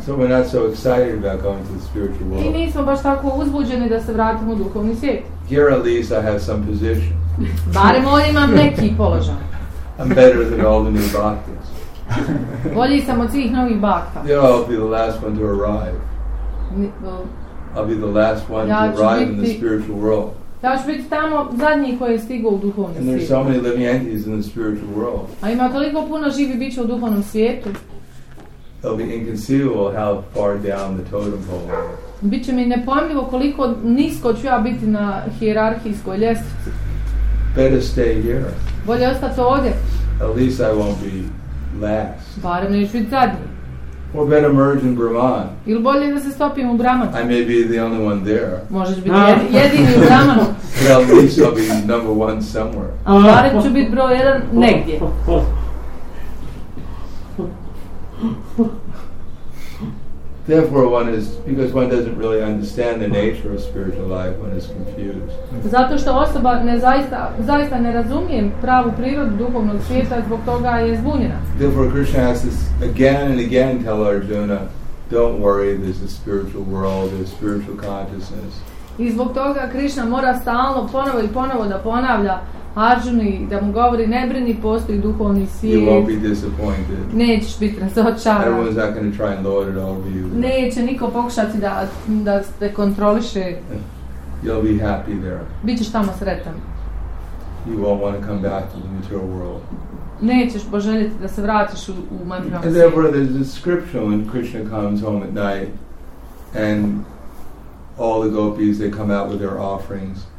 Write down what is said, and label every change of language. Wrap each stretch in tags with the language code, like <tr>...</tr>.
<en>So we're not so excited about going to the spiritual world.</en> <hr>I nismo baš tako uzbuđeni da se vratimo u duhovni svijet.</hr> <en>Here at least I have some position.</en> <hr>Barem ovdje imam neki položaj.</hr> <en>I'm better than all the new bhaktas.</en> <hr>Bolji sam od svih novih bhakta.</hr> <en>Yeah, I'll be the last one to arrive. I'll be the last one to arrive in the spiritual world.</en> <hr>Ja ću biti tamo zadnji koji je stigao u duhovni</hr> <en>svijet. And there's so many living entities in the spiritual world.</en> <hr>A ima toliko puno živi bića u duhovnom svijetu.</hr> <en>It'll be inconceivable how far down the totem pole.</en> <hr>Biće mi nepojmljivo koliko nisko ću ja biti na hijerarhijskoj ljestvici.</hr> <en>Better stay here.</en> <hr>Bolje ostati ovdje.</hr> <en>At least I won't be last.</en> <hr>Barem neću biti zadnji.</hr> <en>Or better merge in Brahman.</en> <hr>Ili bolje da se stopim u Brahmanu.</hr> <en>I may be the only one there.</en> <hr>Možeš biti jedini u Brahmanu.</hr> <en>But at least I'll be number one somewhere.</en> <hr>Barem ću biti broj jedan negdje.</hr> <en>Therefore one is, because one doesn't really understand the nature of spiritual life, one is confused.</en> <hr>Zato što osoba zaista ne razumije pravu prirodu duhovnog svijeta, zbog toga je zbunjena.</hr> <en>Therefore Krishna has to again and again tell Arjuna, don't worry, there's a spiritual world, there's spiritual consciousness.</en> <hr>I zbog toga Krishna mora stalno ponovo i ponovo da ponavlja Arjuni, da mu govori, ne brini, postoji duhovni svijet.</hr> <en>You won't be disappointed.</en> <hr>Nećeš biti razočaran.</hr> <en>Everyone's not going to try and lord it over you.</en> <hr>Neće niko pokušati da te kontroliše.</hr> <en>You'll be happy there.</en> <hr>Bićeš tamo sretan.</hr> <en>You won't want to come back to the material world.</en> <hr>Nećeš poželjeti da se vratiš u materijalni svijet.</hr> <en>And therefore there's a description when Krishna comes home at night and all the gopis, they come out with their offerings.</en>